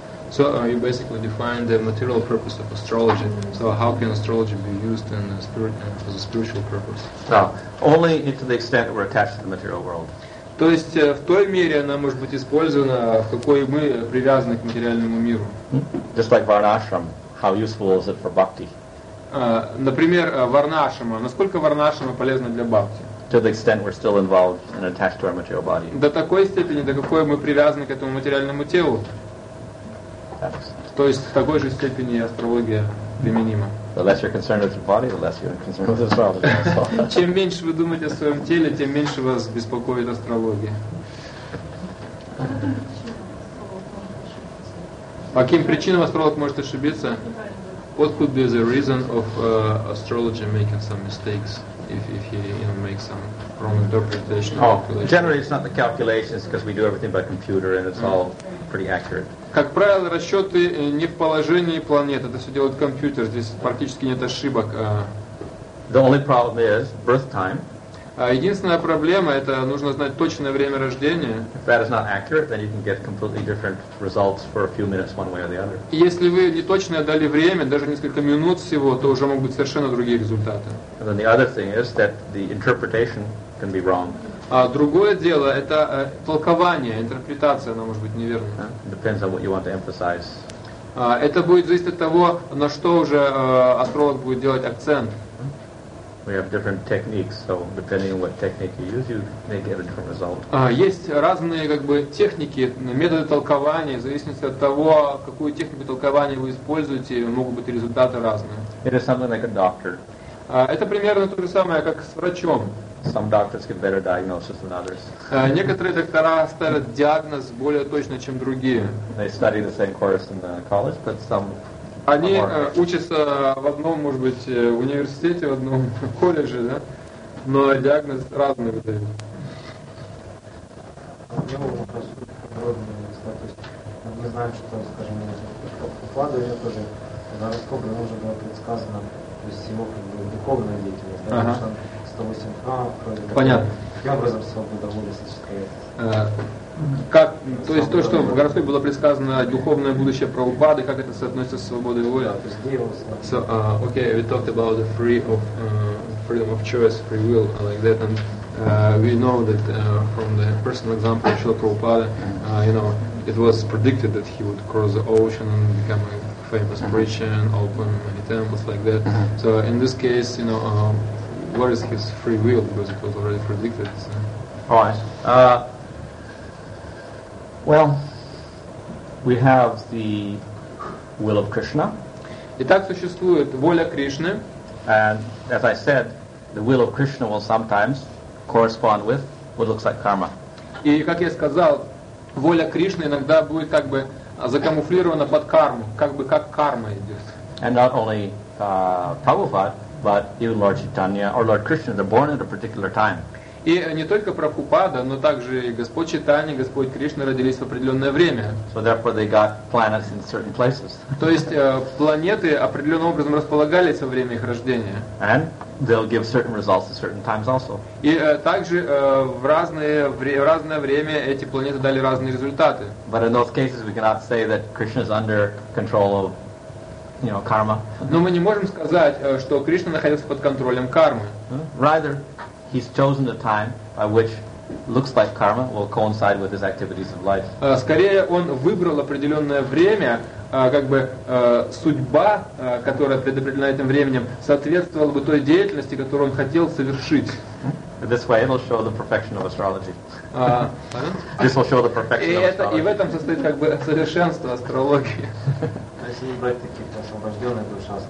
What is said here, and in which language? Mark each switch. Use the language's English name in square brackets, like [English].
[English] So you basically define the material purpose of astrology. So how can astrology be used in a spirit, as a spiritual purpose? No, only to the extent that we're attached to the material world. [Russian] То есть в той мере она может быть использована, в какой мы привязаны к материальному миру. [English] Just like Varnashram, how useful is it for bhakti? [Russian] Например, Варнашрама. Насколько Варнашрама полезна для бхакти? [English] To the extent we're still involved and attached to our material body. [Russian] До такой степени, до какой мы привязаны к этому материальному телу. То есть в такой же степени астрология применима. [English] The less you're concerned with your body, the less you're concerned with astrology. [Russian] Чем меньше вы думаете о своем теле, тем меньше вас беспокоит астрология. По каким причинам астролог может ошибиться? [English] What could be the reason of astrology making some mistakes? If he makes some wrong interpretation. Generally it's not the calculations because we do everything by computer and it's all pretty accurate. [Russian] Как правило, расчёты не в положении планет, это всё делает компьютер. Здесь практически нет ошибок. [English] The only problem is birth time. [Russian] Единственная проблема это нужно знать точное время рождения. [English] If that is not accurate, then you can get completely different results for a few minutes one way or the other. [Russian] Если вы неточно дали время, даже несколько минут всего, то уже могут быть совершенно другие результаты. [English] And then the other thing is that the interpretation can be wrong. [Russian] А другое дело это толкование, интерпретация, она может быть неверной. [English] Depends on what you want to emphasize. [Russian] Это будет зависеть от того, на что уже астролог будет делать акцент. [English] We have different techniques, so depending on what technique you use, you may get a different result. [Russian] Есть разные как бы техники, методы толкования, в зависимости от того, какую технику толкования вы используете, могут быть результаты разные. [English] It is something like a doctor. [Russian] Это примерно то же самое, как с врачом. [English] Some doctors get better diagnosis than others. [Russian] Некоторые доктора ставят диагноз более точно, чем другие. [English] They study the same course in the college, but some. [Russian] Они учатся в одном, может быть, в университете, в одном колледже, да? Но диагноз разный выдают. У меня вопрос подробный. То есть мы знаем, что, скажем, вкладывание тоже гороскоп, оно уже было предсказано, то есть его как бы духовная деятельность, да, что 108 кровь. Понятно. Каким образом свобода воли сочетается? Как, то есть то, что в гороскопе было предсказано духовное будущее Прабхупады, как это соотносится с свободой воли? [English] So, okay, we talked about the freedom of choice, free will, like that, and we know that from the personal example of Srila Prabhupada, you know, it was predicted that he would cross the ocean and become a famous preacher and open many temples like that. So in this case, you know, what is his free will? Because it was already predicted. So. Alright. Well, we have the will of Krishna. [Russian] Итак, существует воля Кришны. [English] And as I said, the will of Krishna will sometimes correspond with what looks like karma. [Russian] И как я сказал, воля Кришны иногда будет как бы закамуфлирована под карму, как бы как карма идет. [English] And not only Prabhupada, but even Lord Chaitanya or Lord Krishna, they're born at a particular time. [Russian] И не только Прабхупада, но также и Господь Чайтанья, Господь Кришна родились в определенное время. [English] So therefore they got planets in certain places. [Russian] То есть планеты определенным образом располагались во время их рождения. [English] And they'll give certain results at certain times also. [Russian] И также в разное время эти планеты дали разные результаты. [English] But in those cases we cannot say that Krishna is under control of, you know, karma. [Russian] Но мы не можем сказать, что Кришна находился под контролем кармы. [English] Rather, He's chosen the time by which looks like karma will coincide with his activities of life. [Russian] Скорее, он выбрал определенное время, как бы судьба, которая предопределена этим временем, соответствовала бы той деятельности, которую он хотел совершить. [English] This way, it'll show the perfection of astrology. This will show the perfection of astrology. [Russian] И в этом состоит как бы совершенство астрологии. Если не брать таких освобожденных душ,